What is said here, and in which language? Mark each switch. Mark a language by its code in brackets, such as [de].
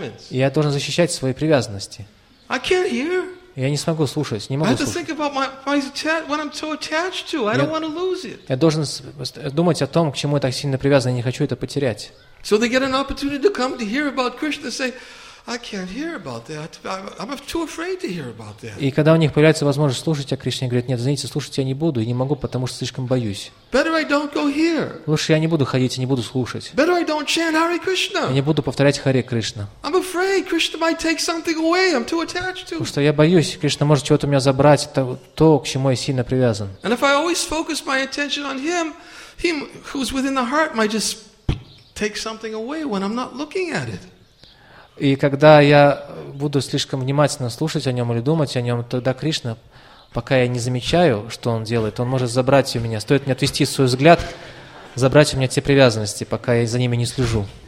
[ru] И я должен защищать свои привязанности. Я не смогу слушать, не могу слушать. Я должен думать о том, к чему я так сильно привязан, я не хочу это потерять. [en] So they get an opportunity to come to hear about Krishna, say, I can't hear about that. I'm too afraid to hear about that. [ru] И когда у них появляется возможность слушать о Кришне, говорят, нет, извините, слушать я не буду и не могу, потому что слишком боюсь. [en] Better I don't go here. [ru] Лучше я не буду ходить и не буду слушать. [en] Better I don't chant Hare Krishna. [ru] Я не буду повторять Харе Кришна. [en] I'm afraid Krishna might take something away. I'm too attached to. [ru] Потому что я боюсь, Кришна может чего-то у меня забрать, то, к чему я сильно привязан. [en] And if I always focus my attention on him, him who's within the heart might just take something away when I'm not looking at it. [ru] И когда я буду слишком внимательно слушать о нем или думать о нем, тогда Кришна, пока я не замечаю, что он делает, он может забрать у меня. Стоит мне отвести свой взгляд, забрать у меня те привязанности, пока я за ними не слежу.